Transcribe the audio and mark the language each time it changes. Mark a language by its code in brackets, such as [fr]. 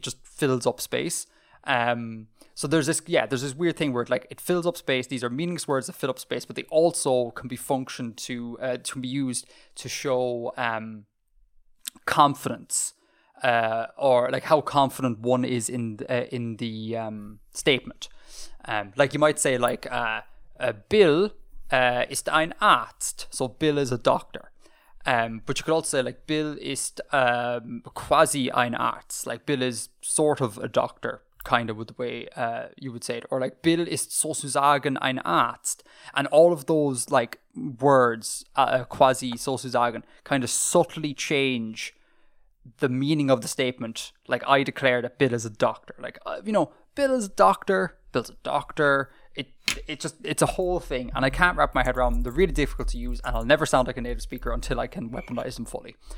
[en] It just fills up space. So there's this weird thing where it, like, it fills up space. These are meaningless words that fill up space, but they also can be functioned to be used to show confidence, or like how confident one is in the statement. Like you might say like, Bill, [de] ist ein Arzt. [en] So Bill is a doctor. But you could also say like [de] Bill ist quasi ein Arzt. [en] Like Bill is sort of a doctor, kind of with the way you would say it. Or like [de] Bill ist sozusagen ein Arzt. [en] And all of those like words, quasi sozusagen, kind of subtly change the meaning of the statement. Like I declare that Bill is a doctor. Like, you know, Bill is a doctor. Bill's a doctor. It it's a whole thing, and I can't wrap my head around them. They're really difficult to use, and I'll never sound like a native speaker until I can weaponize them fully.